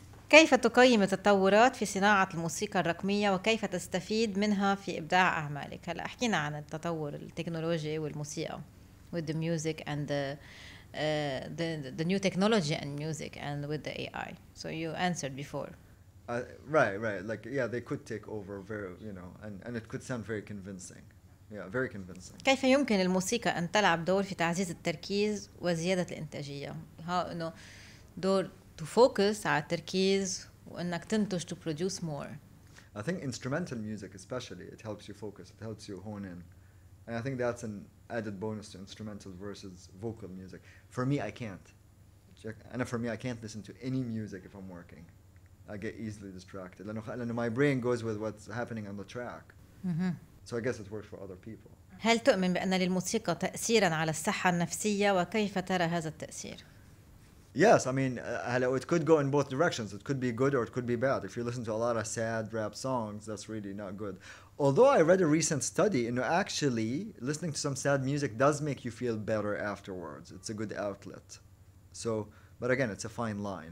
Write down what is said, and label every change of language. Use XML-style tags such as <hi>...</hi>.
<ar>كيف تقيم التطورات في صناعة الموسيقى الرقمية وكيف تستفيد منها في إبداع أعمالك؟ هلا حكينا عن التطور التكنولوجي والموسيقى</ar> <en>with the music and the new technology and music and with the AI. So you answered before. Right. Like, yeah, they could take over very, you know, and it could sound very convincing. Yeah, very convincing.</en> <ar>كيف يمكن الموسيقى أن تلعب دور في تعزيز التركيز وزيادة الإنتاجية؟ دور</ar> <en>to focus</en> <ar>على التركيز وأنك تنتج</ar> <en>to produce more. I think instrumental music especially, it helps you focus, it helps you hone in. And I think that's an added bonus to instrumental versus vocal music. For me, I can't. And for me, I can't listen to any music if I'm working. I get easily distracted.</en> <ar>لأنه</ar> <en>my brain goes with what's happening on the track. Mm-hmm. So I guess it works for other people.</en> <ar>هل تؤمن بأن للموسيقى تأثيراً على الصحة النفسية وكيف ترى هذا التأثير؟</ar> <en>Yes, I mean, hello. It could go in both directions. It could be good or it could be bad. If you listen to a lot of sad rap songs, that's really not good. Although I read a recent study, you know, actually listening to some sad music does make you feel better afterwards. It's a good outlet. So, but again, it's a fine line.</en>